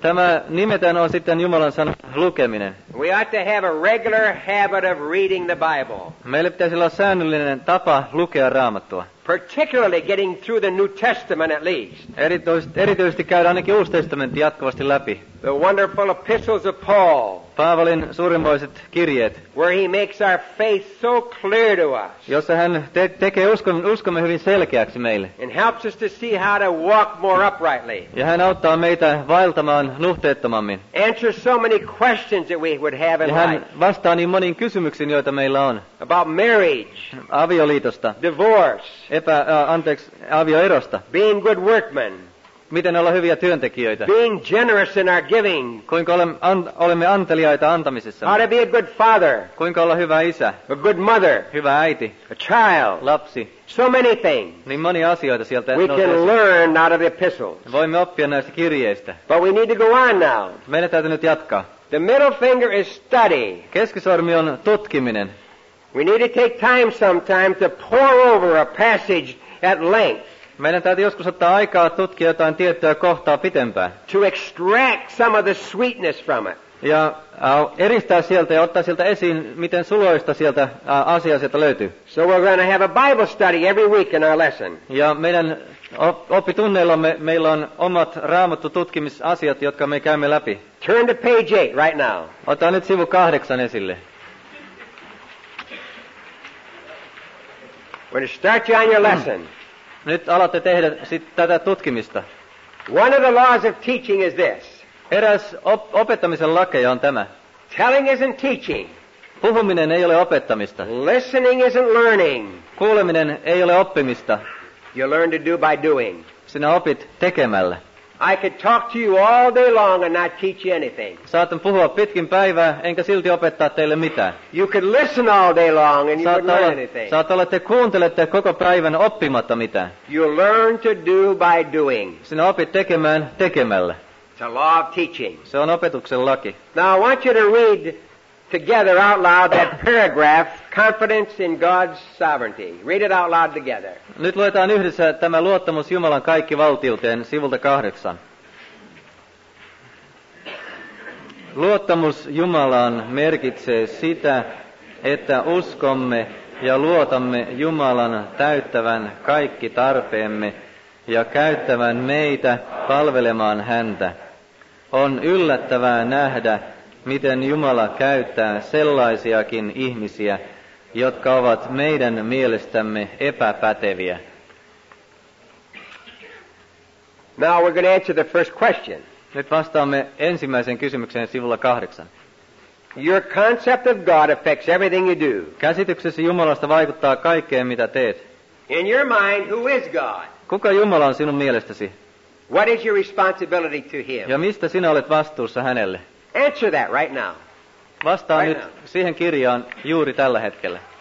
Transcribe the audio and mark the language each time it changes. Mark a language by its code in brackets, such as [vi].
[fi] Tämä nimetään on sitten Jumalan sanan lukeminen. [en] We ought to have a regular habit of reading the Bible. [fi] Meillä pitäisi olla säännöllinen tapa lukea Raamattua. [en] Particularly getting through the New Testament at least. [fi] Erityisesti käydä ainakin Uusi testamentti jatkuvasti läpi. [en] The wonderful epistles of Paul. [fi] Paavalin suurimmoiset kirjeet. [en] Where he makes our faith so clear to us. [fi] Jossa hän tekee uskomme hyvin selkeäksi meille. [en] And helps us to see how to walk more uprightly. [fi] Ja hän auttaa meitä vaeltamaan nuhteettomammin. [en] Answers so many questions that we would have in life. [fi] Ja hän vastaa niin moniin kysymyksiin, joita meillä on. [en] About marriage. [fi] Avioliitosta. [en] Divorce. [fi] Avioerosta. [en] Being good workmen. [fi] Miten olla hyviä työntekijöitä. [en] Being generous in our giving. [fi] Kuinka olemme anteliaita antamisessa. [en] How to be a good father. [fi] Kuinka olla hyvä isä. [en] A good mother. [fi] Hyvä äiti. [en] A child. [fi] Lapsi. [en] So many things. [fi] Niin monia asioita sieltä. [en] We can learn out of the epistles. [fi] Voimme oppia näistä kirjeistä. [en] But we need to go on now. [fi] Meidän täytyy nyt jatkaa. [en] The middle finger is study. [fi] Keskisormi on tutkiminen. [en] We need to take time sometime to pore over a passage at length. [fi] Meidän täytyy joskus ottaa aikaa tutkia jotain tiettyä kohtaa pitempään. [en] To extract some of the sweetness from it. [fi] Ja eristää sieltä ja ottaa sieltä esiin, miten suloista sieltä asiaa sieltä löytyy. [en] So we're going to have a Bible study every week in our lesson. [fi] Ja meidän oppitunneillamme meillä on omat raamattu tutkimisasiat, jotka me käymme läpi. [en] Turn to page 8 right now. [fi] Ota nyt sivu 8 esille. [en] We're going to start you on your lesson. [fi] Nyt alatte tehdä tätä tutkimista. [en] One of the laws of teaching is this. [fi] Eräs opettamisen lakeja on tämä. [en] Telling isn't teaching. [fi] Puhuminen ei ole opettamista. [en] Listening isn't learning. [fi] Kuuleminen ei ole oppimista. [en] You learn to do by doing. [fi] Sinä opit tekemällä. [en] I could talk to you all day long and not teach you anything. [fi] Saatan puhua pitkin päivää, enkä silti opettaa teille mitään. [en] You could listen all day long and you wouldn't learn anything. [fi] Saatan olla, että kuuntelette koko päivän oppimatta mitään. [en] You learn to do by doing. [fi] Sinä opit tekemään tekemällä. [en] It's a law of teaching. [fi] Se on opetuksen laki. [en] Now I want you to read together out loud that paragraph, confidence in God's sovereignty. Read it out loud together. [fi] Nyt luetaan yhdessä tämä luottamus Jumalan kaikkivaltiuteen sivulta 8. Luottamus Jumalaan merkitsee sitä, että uskomme ja luotamme Jumalan täyttävän kaikki tarpeemme ja käyttävän meitä palvelemaan häntä. On yllättävää nähdä, miten Jumala käyttää sellaisiakin ihmisiä, jotka ovat meidän mielestämme epäpäteviä. [en] Now we're going to answer the first question. [fi] Nyt vastaamme ensimmäiseen kysymykseen sivulla 8. [en] Your concept of God affects everything you do. [fi] Käsityksesi Jumalasta vaikuttaa kaikkeen, mitä teet. [en] In your mind, who is God? [fi] Kuka Jumala on sinun mielestäsi? [en] What is your responsibility to him? [fi] Ja mistä sinä olet vastuussa hänelle? [en] Answer that right now. [fi] Vastaa [en] right [fi] nyt [en] now. [fi] Siihen kirjaan juuri tällä hetkellä.